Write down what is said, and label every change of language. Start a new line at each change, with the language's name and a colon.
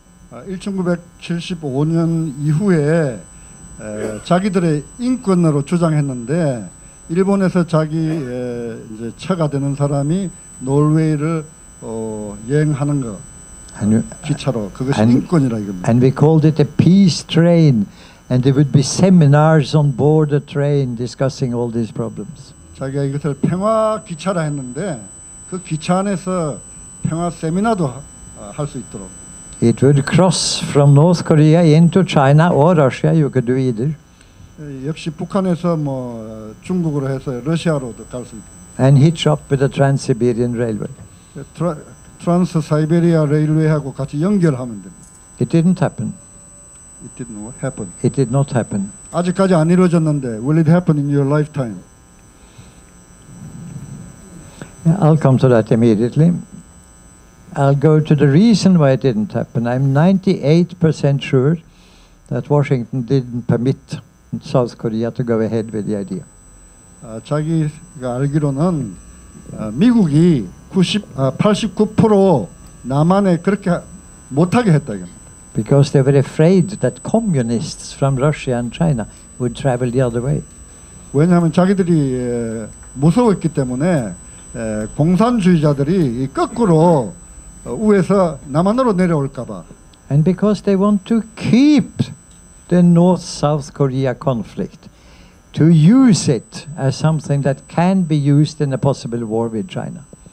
Korean: 1975년 이후에 자기들의 인권으로 주장했는데 일본에서 자기 이제 차가 되는 사람이 노르웨이를 여행하는 거 기차로 그것이 인권이라 이겁니다.
English: And we called it a peace train, and there would be seminars on board the train discussing all these problems.
Korean: 자기가 이것을 평화 기차라 했는데 그 기차 안에서 평화 세미나도 할 수 있도록.
English: It would cross from North Korea into China or Russia. You could do either.
Korean: 역시 북한에서 뭐 중국으로 해서 러시아로도 갈 수 있고.
English: And hitch up with the Trans-Siberian Railway.
Korean: 트랜스사이베리아 레일웨이하고 같이 연결하면 됩니다.
English: It didn't happen. It didn't happen. It did not happen.
Korean: 아직까지 안 이루어졌는데,
English: will it happen in your lifetime? I'll come to that immediately. I'll go to the reason why it didn't happen. I'm 98% sure that Washington didn't permit South Korea to go ahead with the idea.
Korean: 자기가 알기로는 미국이 89% 남한에 그렇게 못하게 했다.
English: Because they were afraid that communists from Russia and China would travel the other way.
Korean: 왜냐하면 자기들이 무서웠기 때문에 공산주의자들이 거꾸로 우에서 남한으로 내려올까 봐.
English: And because they want to keep the North-South Korea conflict, to use it as something that can be used in a possible war with China.